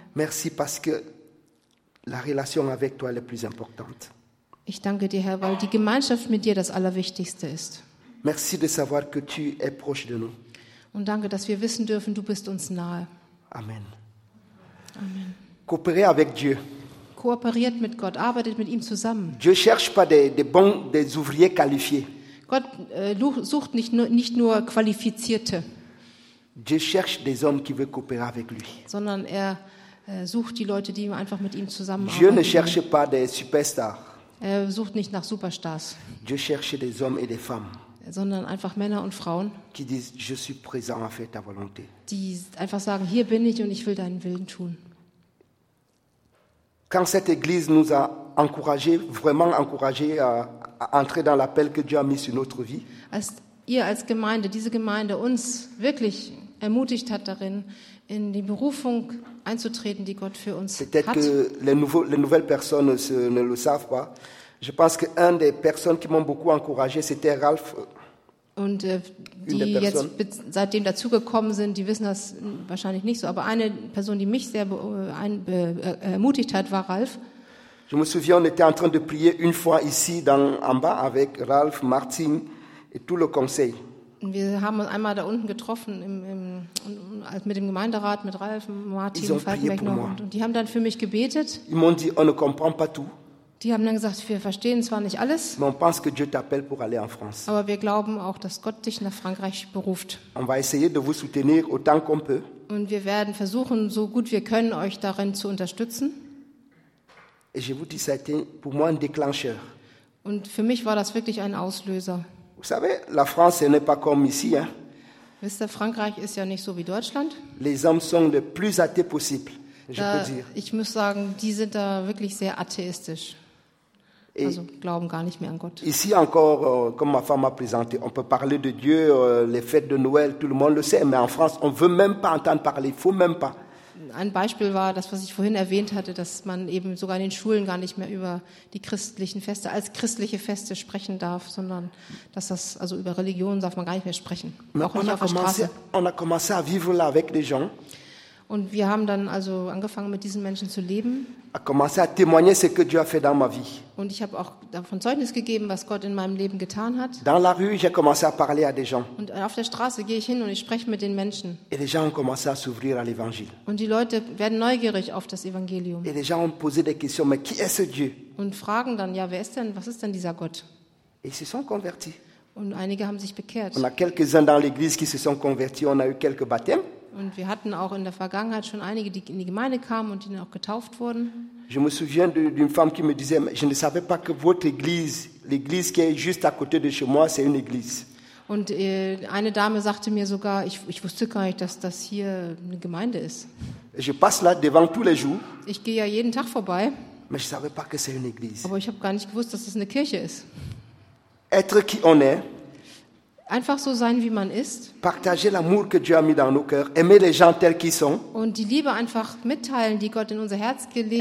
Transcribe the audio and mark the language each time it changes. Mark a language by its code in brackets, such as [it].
[fr] Merci parce que la relation avec toi est la plus importante. [de] Ich danke dir, Herr, weil die Gemeinschaft mit dir das Allerwichtigste ist. [fr] Merci de savoir que tu es proche de nous. [de] Und danke, dass wir wissen dürfen, du bist uns nahe. [fr] Amen. [de] Amen. [fr] Coopérez avec Dieu. [de] Kooperiert mit Gott, arbeitet mit ihm zusammen. [fr] Dieu cherche pas des ouvriers qualifiés. [de] Gott sucht nicht nur Qualifizierte. [fr] Dieu cherche des hommes qui veulent coopérer avec lui. [de] Sondern er sucht die Leute, die einfach mit ihm zusammenarbeiten. [fr] Dieu ne cherche pas des superstars. [de] Er sucht nicht nach Superstars. [fr] Dieu cherche des hommes et des femmes. [de] Sondern einfach Männer und Frauen, [fr] qui disent, je suis présent à faire ta volonté. [de] Die einfach sagen, hier bin ich und ich will deinen Willen tun. [fr] Quand cette église nous a encouragés, vraiment encouragés à entrer dans l'appel que Dieu a mis sur notre vie, [de] als ihr als Gemeinde, diese Gemeinde uns wirklich ermutigt hat darin, in die Berufung einzutreten, die Gott für uns [fr] peut-être [de] hat. [fr] Que les nouvelles personnes ne le savent pas. Je pense que une des personnes qui m'ont beaucoup encouragé, c'était Ralph. [de] Und die jetzt seitdem dazugekommen sind, die wissen das wahrscheinlich nicht so, aber eine Person, die mich sehr ermutigt hat, war Ralph. [fr] Je me souviens, on était en train de prier une fois ici, en bas, avec Ralph, Martin et tout le conseil. [de] Wir haben uns einmal da unten getroffen mit dem Gemeinderat, mit Ralph, Martin, Falkenberg noch. Und die haben dann für mich gebetet. [fr] Ils m'ont dit, on ne comprend pas tout. [de] Die haben dann gesagt, wir verstehen zwar nicht alles, [fr] mais on pense que Dieu t'appelle pour aller en France. [de] Aber wir glauben auch, dass Gott dich nach Frankreich beruft. [fr] On va essayer de vous soutenir autant qu'on peut. [de] Und wir werden versuchen, so gut wir können, euch darin zu unterstützen. [fr] Et je vous dis, ça a été pour moi un déclencheur. [de] Und für mich war das wirklich ein Auslöser. [fr] Vous savez, la France, ce n'est pas comme ici, hein? [de] Wisst ihr, Frankreich ist ja nicht so wie Deutschland. [fr] Les hommes sont le plus athée possible, je peux dire. [de] Ich muss sagen, die sind da wirklich sehr atheistisch. Et also glauben gar nicht mehr an Gott. [fr] Ici encore, comme ma femme m'a présenté, on peut parler de Dieu, les fêtes de Noël, tout le monde le sait, mais en France, on veut même pas entendre parler, il faut même pas. [de] Ein Beispiel war das, was ich vorhin erwähnt hatte, dass man eben sogar in den Schulen gar nicht mehr über die christlichen Feste als christliche Feste sprechen darf, sondern dass das, also über Religion darf man gar nicht mehr sprechen, auch nicht auf der Straße. [fr] On a commencé à vivre là avec les gens. [de] Und wir haben dann also angefangen, mit diesen Menschen zu leben. [fr] A commencé à témoigner ce que Dieu a fait dans ma vie. [de] Und ich habe auch davon Zeugnis gegeben, was Gott in meinem Leben getan hat. [fr] Dans la rue, j'ai commencé à parler à des gens. [de] Und auf der Straße gehe ich hin und ich spreche mit den Menschen. [fr] Et les gens ont commencé à s'ouvrir à l'évangile. [de] Und die Leute werden neugierig auf das Evangelium. [fr] Et les gens ont posé des questions, mais qui est ce Dieu? [de] Und fragen dann, ja, wer ist denn, was ist denn dieser Gott? [fr] Et ils se sont convertis. [de] Und einige haben sich bekehrt. [fr] On a quelques-uns dans l'église qui se sont convertis, on a eu quelques baptêmes. [de] Und wir hatten auch in der Vergangenheit schon einige, die in die Gemeinde kamen und die dann auch getauft wurden. [fr] Je me souviens d'une femme qui me disait, je ne savais pas que votre église, l'église qui est juste à côté de chez moi, c'est une église. [de] Und eine Dame sagte mir sogar, ich wusste gar nicht, dass das hier eine Gemeinde ist. [fr] Je passe là devant tous les jours. [de] Ich gehe ja jeden Tag vorbei. [fr] Mais je savais pas que c'est une église. [de] Aber ich habe gar nicht gewusst, dass das eine Kirche ist. [fr] Être qui on est. [de] Einfach so sein, wie man ist. [fr] Partager l'amour que Dieu a mis dans nos cœurs. Aimer les gens tels qu'ils sont. [de] Und die Liebe einfach mitteilen, die Gott in unser Herz gelegt